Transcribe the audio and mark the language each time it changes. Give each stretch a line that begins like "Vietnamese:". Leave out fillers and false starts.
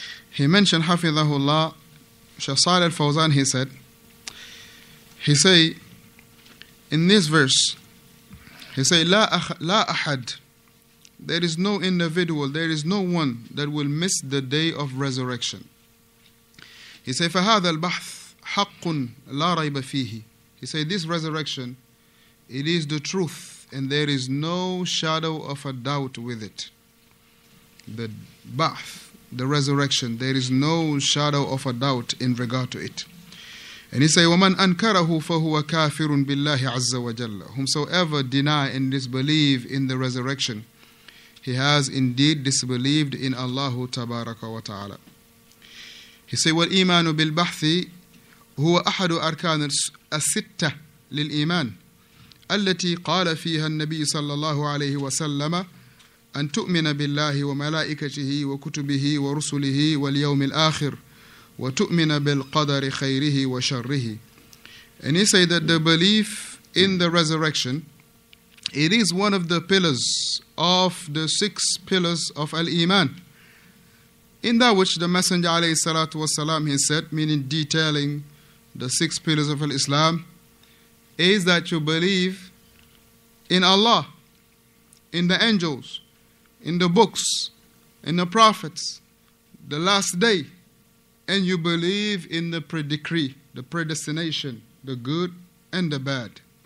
English: He mentioned,
Arabic: حَفِظَهُ اللَّهُ,
English: Shaykh Salih al-Fawzan, he said, in this verse, he said,
Arabic: لا أحد,
English: there is no individual, there is no one that will miss the day of resurrection. He said,
Arabic: فَهَذَا الْبَحْثُ حَقٌّ لَا رَيْبَ فِيهِ.
English: He said, this resurrection, it is the truth, and there is no shadow of a doubt with it. The bath, the resurrection, there is no shadow of a doubt in regard to it. And he said,
Arabic: وَمَنْ أَنْكَرَهُ فَهُوَ كَافِرٌ بِاللَّهِ عَزَّ وَجَلَّ.
English: Whomsoever deny and disbelieve in the resurrection, he has indeed disbelieved in Allah Tabaraka wa Ta'ala. He said,
Arabic: والإيمان بالبحث هو أحد أركان الستة للإيمان التي قال فيها النبي صلى الله عليه وسلم أن تؤمن بالله وملائكته وكتبه ورسله واليوم الآخر وتؤمن بالقدر خيره وشره.
English: And he said that the belief in the resurrection, it is one of the pillars of the six pillars of al-Iman. In that which the Messenger alayhi salatu wasalam, he said, meaning detailing the six pillars of Islam, is that you believe in Allah, in the angels, in the books, in the prophets, the last day, and you believe in the predecree, the predestination, the good and the bad.